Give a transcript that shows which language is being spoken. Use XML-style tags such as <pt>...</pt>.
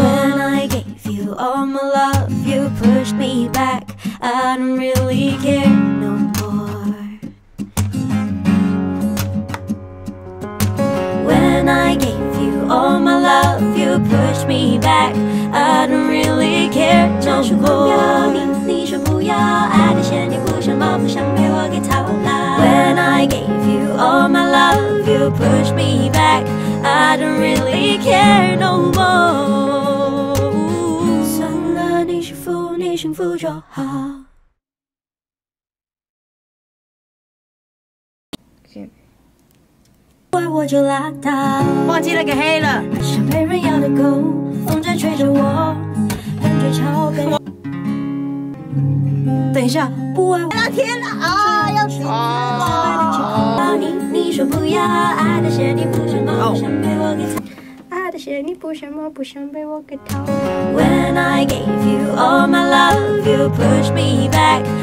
<en>When I gave you all my love, you pushed me backI don't really care no more. When I gave you all my love, you pushed me back. I don't really care no more.</en> <zh>说不要，你说不要，爱的陷阱不想冒，不想被我给套牢。</zh> <en>When I gave you all my love, you pushed me back. I don't really care no more.</en> <zh>算了，你幸福，你幸福就好。我就拉倒，忘记了给黑了。像没人要的狗，风筝吹着我，感觉超悲。等一下，不爱我。天哪，啊，要死了！你说不要，爱的陷阱不想冒，不想被我给套。爱的陷阱不想冒，不想被我给套。</zh> <en>When I gave you all my love, you pushed me back.</en>